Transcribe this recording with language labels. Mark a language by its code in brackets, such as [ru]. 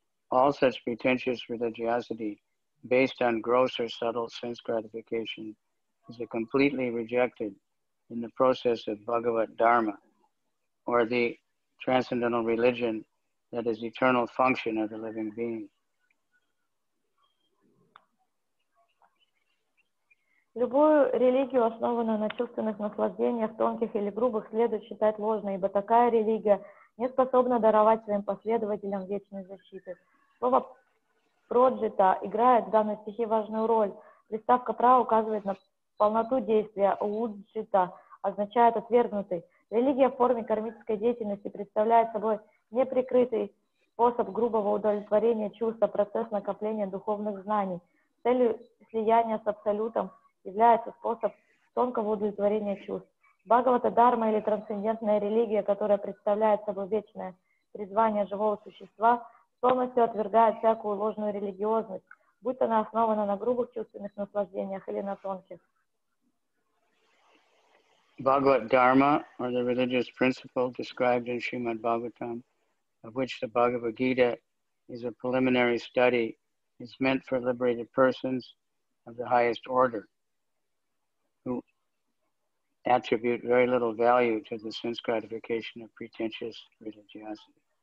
[en] All such pretentious religiosity based on gross or subtle sense gratification is a completely rejected in the process of Bhagavad Dharma, or the transcendental religion that is eternal function of the living being. [ru] Любую религию, основанную на чувственных наслаждениях, тонких или грубых, следует считать ложной, ибо такая религия не способна даровать своим последователям вечной защиты. Слово «проджита» играет в данной стихе важную роль. Приставка «пра» указывает на полноту действия. «Уджита» означает «отвергнутый». Религия в форме кармической деятельности представляет собой неприкрытый способ грубого удовлетворения чувства, процесс накопления духовных знаний. Целью слияния с Абсолютом является способ тонкого удовлетворения чувств. Бхагавата дхарма или трансцендентная религия, которая представляет собой вечное призвание живого существа, полностью отвергает всякую ложную религиозность, будь она основана на грубых чувственных наслаждениях или на тонких. [en] Bhagavad Dharma, or the religious principle described in Srimad Bhagavatam, of which the Bhagavad Gita is a preliminary study, is meant for liberated persons of the highest order, who attribute very little value to the sense gratification of pretentious religiosity.